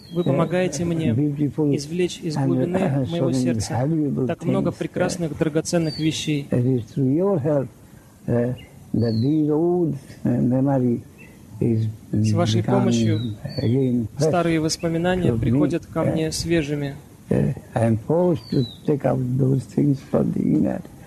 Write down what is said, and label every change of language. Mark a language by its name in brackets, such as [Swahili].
[Russian] Вы помогаете мне извлечь из глубины моего сердца так много прекрасных драгоценных вещей. [English] It is through your help that these old memory is. [Russian] С вашей помощью старые воспоминания приходят ко мне свежими. [English] I am forced to take out those things from the inner.